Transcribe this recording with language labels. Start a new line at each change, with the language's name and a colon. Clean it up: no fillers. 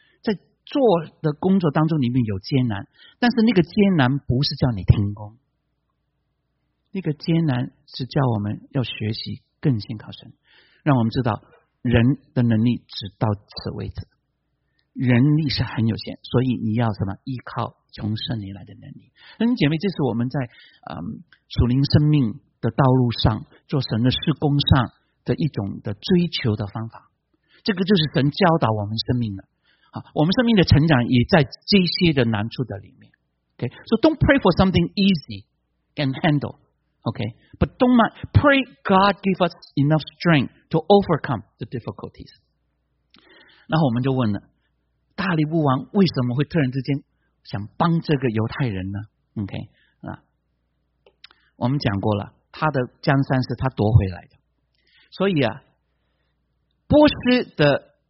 Chinese: 在做的工作当中里面有艰难，但是那个艰难不是叫你停工，那个艰难是叫我们要学习更信靠神，让我们知道人的能力只到此为止，人力是很有限，所以你要什么依靠从圣灵来的能力。那姐妹，这是我们在属灵生命的道路上做神的事工上的一种的追求的方法，这个就是神教导我们生命的。我们生命的成长也在这些的难处的里面。
English: OK， So don't pray for something easy and handle， OK， But don't mind pray God give us enough strength to overcome the difficulties。
Chinese: 然后我们就问了，大力乌王为什么会突然之间想帮这个犹太人呢？ OK， 我们讲过了，他的江山是他夺回来的，所以啊波斯的